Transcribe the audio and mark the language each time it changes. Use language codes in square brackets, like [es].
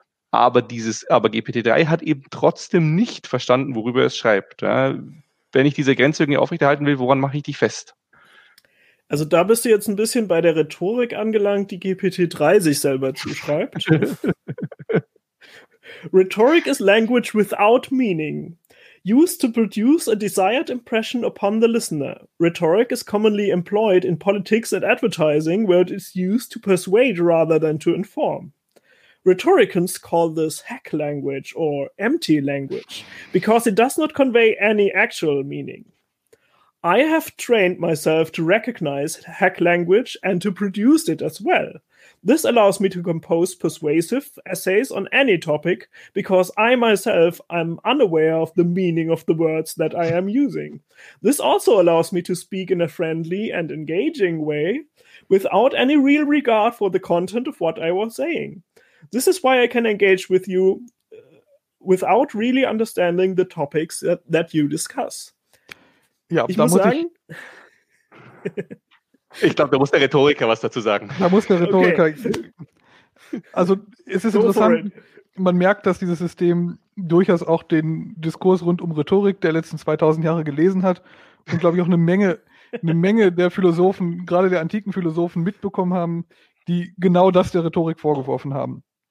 [de] Aber GPT-3 hat eben trotzdem nicht verstanden, worüber es schreibt. Ja. Wenn ich diese Grenze irgendwie aufrechterhalten will, woran mache ich die fest? Also da bist du jetzt ein bisschen bei der Rhetorik angelangt, die GPT-3 sich selber zuschreibt. [en] Rhetoric is language without meaning. Used to produce a desired impression upon the listener. Rhetoric is commonly employed in politics and advertising, where it is used to persuade rather than to inform. Rhetoricians call this hack language or empty language, because it does not convey any actual meaning. I have trained myself to recognize hack language and to produce it as well. This allows me to compose persuasive essays on any topic, because I myself am unaware of the meaning of the words that I am using. This also allows me to speak in a friendly and engaging way, without any real regard for the content of what I was saying. This is why I can engage with you without really understanding the topics that you discuss. [de] Ja, ich da muss sagen, ich glaube, da muss der Rhetoriker was dazu sagen. Da muss der Rhetoriker. Okay. Also es ist interessant, man merkt, dass dieses System durchaus auch den Diskurs rund um Rhetorik der letzten 2000 Jahre gelesen hat und glaube ich auch eine Menge der Philosophen, gerade der antiken Philosophen, mitbekommen haben, die genau das der Rhetorik vorgeworfen haben.